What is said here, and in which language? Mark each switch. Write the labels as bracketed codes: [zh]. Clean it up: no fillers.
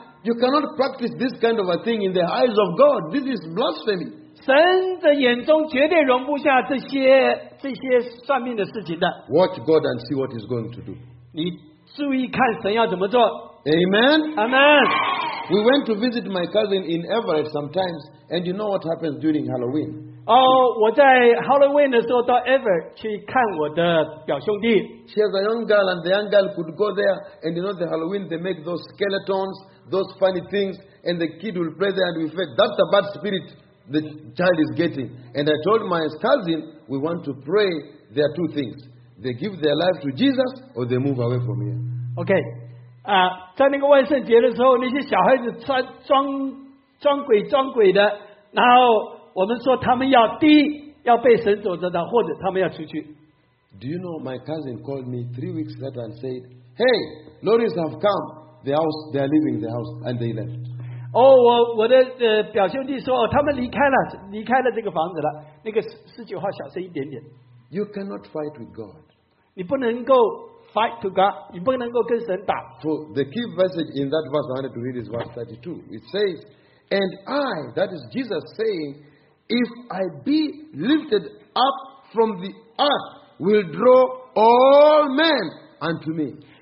[en] You cannot practice this kind of a thing in the eyes of God. This is blasphemy. [zh] 神的眼中绝对容不下这些算命的事情的。 [en] Watch God and see what He's going to do. [zh] 你注意看神要怎么做。 [en] Amen. Amen. We went to visit my cousin in Everett sometimes, and you know what happens during Halloween. [zh] Oh, 我在 Halloween 的时候到 Everett 去看我的表兄弟. [en] She has a young girl, and the young girl could go there, and you know the Halloween they make those skeletons, those funny things, and the kid will play there, and we felt that's a bad spirit the child is getting. And I told my cousin, we want to pray. There are two things: they give their life to Jesus, or they move away from here. Okay. [zh] 在那个万圣节的时候，那些小孩子穿装鬼的，然后我们说他们要第一要被神所知道，或者他们要出去。 [en] Do you know my cousin called me 3 weeks later and said, "Hey, Lawrence have come. The house, they are leaving the house," and they left. [zh] 哦，我的表兄弟说，他们离开了这个房子了。那个四句话小声一点点。You [en] cannot fight with God. [zh] 你不能够 [en] fight to God. [zh] 你不能够跟神打。 [en] So the key passage in that verse I wanted to read is verse 32. It says, "And I," that is Jesus saying, "If I be lifted up from the earth, will draw all men unto me."